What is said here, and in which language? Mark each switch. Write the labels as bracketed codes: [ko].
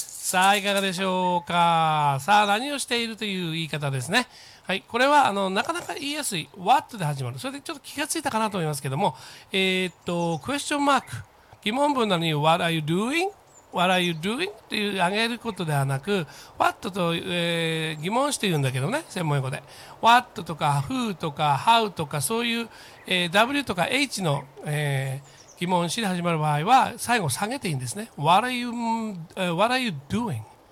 [ja] さあ、いかがでしょうか。さあ、何をしているという言い方ですね。はい、これはあのなかなか言いやすい。 What で始まる。それでちょっと気がついたかなと思いますけども、クエスチョンマーク。疑問文なのに、 [en] What are you doing? What are you doing? [ja] という上げることではなく、What と、疑問して言うんだけどね、専門用語で。 What とか Who とか How とかそういうW とか H の、疑問詞で始まる場合は最後下げていいんですね。 [en] What are you doing?